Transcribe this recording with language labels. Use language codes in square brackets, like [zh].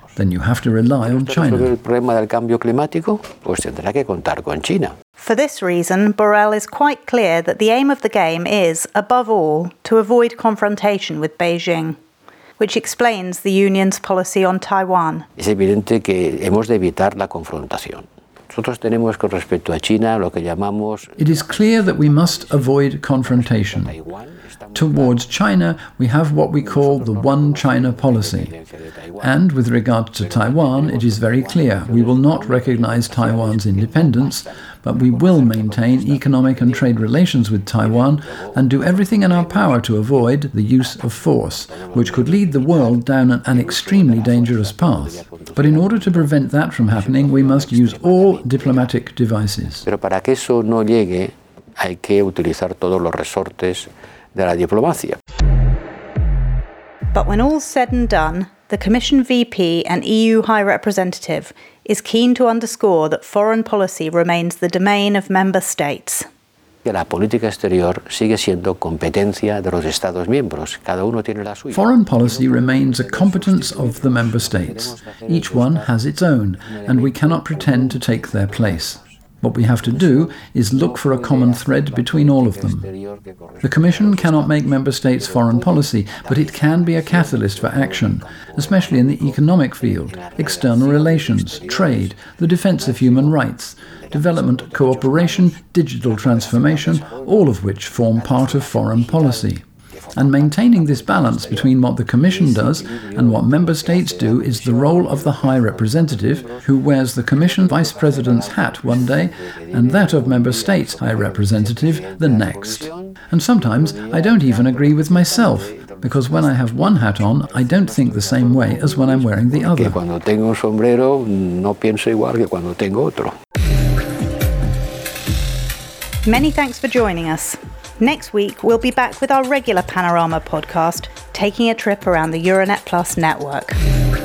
[en] Then you have to rely on China. For this reason, Borrell is quite clear that the aim of the game is, above all, to avoid confrontation with Beijing, which explains the Union's policy on Taiwan. [es] Es evidente que hemos de evitar la confrontación. Nosotros tenemos con respecto a China lo que llamamos... [en] It is clear that we must avoid confrontation. Towards China, we have what we call the One China policy. And with regard to Taiwan, it is very clear. We will not recognize Taiwan's independence, but we will maintain economic and trade relations with Taiwan and do everything in our power to avoid the use of force, which could lead the world down an extremely dangerous path. But in order to prevent that from happening, we must use all diplomatic devices. [es] Pero para que eso no llegue, hay que utilizar todos los resortes de la diplomacia. [en] But when all's said and done, the Commission VP and EU High Representative is keen to underscore that foreign policy remains the domain of member states. [es] La política exterior sigue siendo competencia de los Estados miembros. Cada uno tiene la suya. [en] Foreign policy remains a competence of the member states. Each one has its own, and we cannot pretend to take their place. What we have to do is look for a common thread between all of them. The Commission cannot make member states' foreign policy, but it can be a catalyst for action, especially in the economic field, external relations, trade, the defense of human rights, development, cooperation, digital transformation, all of which form part of foreign policy. And maintaining this balance between what the Commission does and what member states do is the role of the High Representative, who wears the Commission Vice President's hat one day, and that of member states' High Representative the next. And sometimes I don't even agree with myself, because when I have one hat on, I don't think the same way as when I'm wearing the other. [es] Cuando tengo un sombrero, no pienso igual que cuando tengo otro. [en] Many thanks for joining us. Next week, we'll be back with our regular Panorama podcast, taking a trip around the Euranet Plus network.